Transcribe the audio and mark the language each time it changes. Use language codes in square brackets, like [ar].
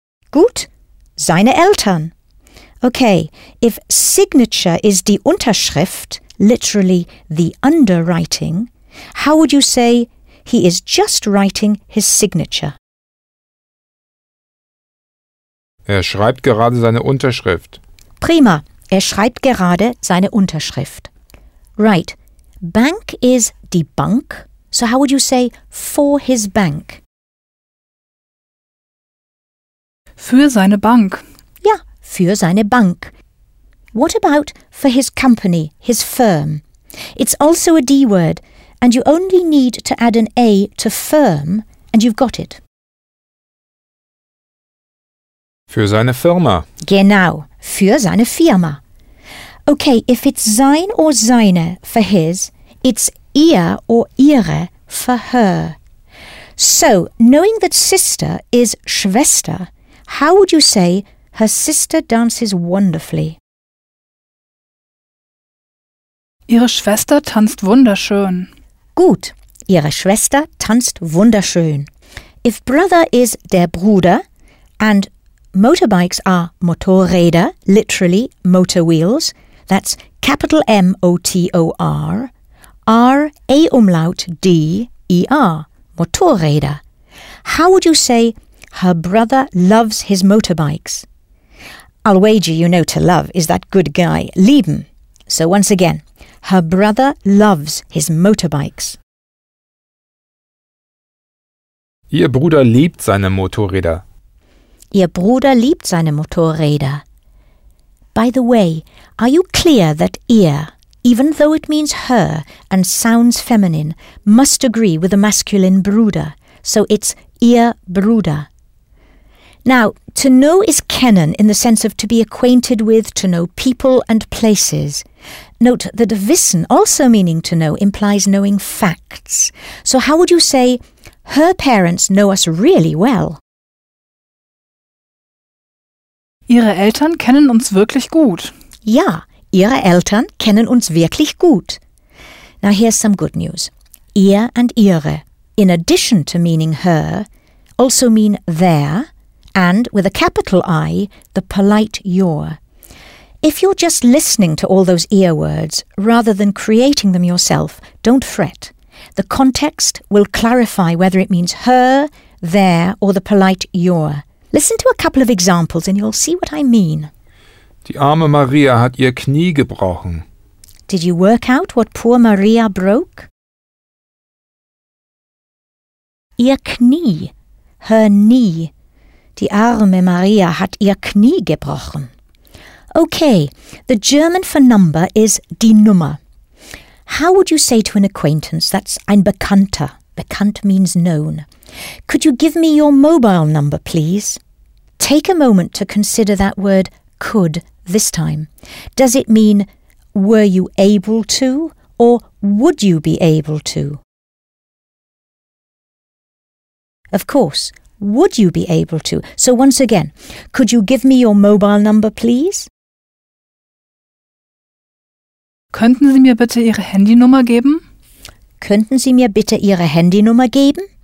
[de] Gut. Seine Eltern. [en] Okay, if signature is die Unterschrift, literally the underwriting, how would you say he is just writing his signature? [de] Schreibt gerade seine Unterschrift. Prima, schreibt gerade seine Unterschrift. [en] Right, bank is die Bank, so how would you say for his bank? [de] Für seine Bank. Für seine Bank. [en] What about for his company, his firm? It's also a D word, and you only need to add an A to firm, and you've got it. [de] Für seine Firma. Genau, für seine Firma. [en] Okay, if it's sein or seine for his, it's ihr or ihre for her. So, knowing that sister is Schwester, how would you say her sister dances wonderfully? [de] Ihre Schwester tanzt wunderschön. Gut. Ihre Schwester tanzt wunderschön. [en] If brother is der Bruder and motorbikes are Motorräder, literally motor wheels, that's capital M-O-T-O-R, R-A-Umlaut-D-E-R, Motorräder. How would you say her brother loves his motorbikes? I'll wager you know to love is that good guy, lieben. So once again, her brother loves his motorbikes. [de] Ihr Bruder liebt seine Motorräder. Ihr Bruder liebt seine Motorräder. [en] By the way, are you clear that ihr, even though it means her and sounds feminine, must agree with the masculine Bruder? So it's ihr Bruder. Now, to know is kennen in the sense of to be acquainted with, to know people and places. Note that wissen, also meaning to know, implies knowing facts. So how would you say, her parents know us really well? [de] Ihre Eltern kennen uns wirklich gut. Ja, ihre Eltern kennen uns wirklich gut. [en] Now here's some good news. Ihr and ihre, in addition to meaning her, also mean their. And, with a capital I, the polite your. If you're just listening to all those ear words, rather than creating them yourself, don't fret. The context will clarify whether it means her, their, or the polite your. Listen to a couple of examples and you'll see what I mean. [de] Die arme Maria hat ihr Knie gebrochen. [en] Did you work out what poor Maria broke? [de] Ihr Knie. [en] Her knee. [de] Die arme Maria hat ihr Knie gebrochen. [en] Okay, the German for number is die Nummer. How would you say to an acquaintance that's ein Bekannter? Bekannt means known. Could you give me your mobile number, please? Take a moment to consider that word could this time. Does it mean were you able to or would you be able to? Of course, would you be able to? So once again, could you give me your mobile number, please? [de] Könnten Sie mir bitte Ihre Handynummer geben? Könnten Sie mir bitte Ihre Handynummer geben?